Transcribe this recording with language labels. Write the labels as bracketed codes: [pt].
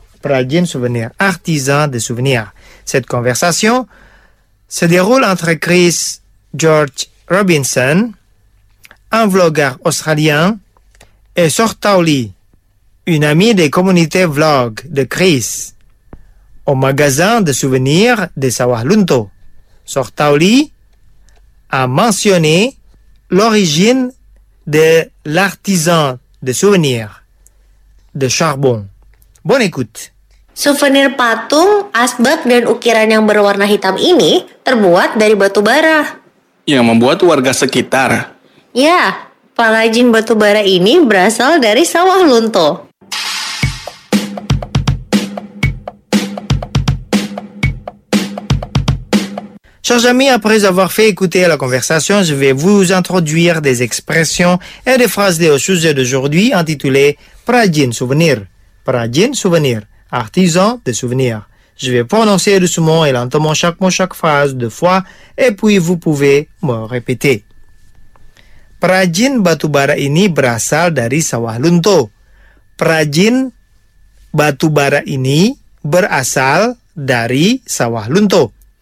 [fr] Prajin Souvenir, artisan des souvenirs. Cette conversation se déroule entre Chris George Robinson, un vlogueur australien, et Sortauli, une amie des communautés vlog de Chris, au magasin de souvenirs de Sawahlunto. Sortauli a mentionné l'origine de l'artisan de souvenirs de charbon. Bonne écoute. [id] Souvenir patung, asbak dan ukiran yang berwarna hitam ini terbuat dari batu bara. Yang membuat warga sekitar. Ya, pengrajin batu bara ini berasal dari Sawahlunto. [fr] Chers amis, après avoir fait écouter la conversation, je vais vous introduire des expressions et des phrases liées au sujet d'aujourd'hui intitulées Prajin souvenir. Prajin souvenir, artisan de souvenirs. Je vais prononcer doucement et lentement chaque mot, chaque phrase deux fois, et puis vous pouvez me répéter. [id] Prajin batubara ini berasal dari sawah lunto. Prajin batubara ini berasal dari sawah lunto.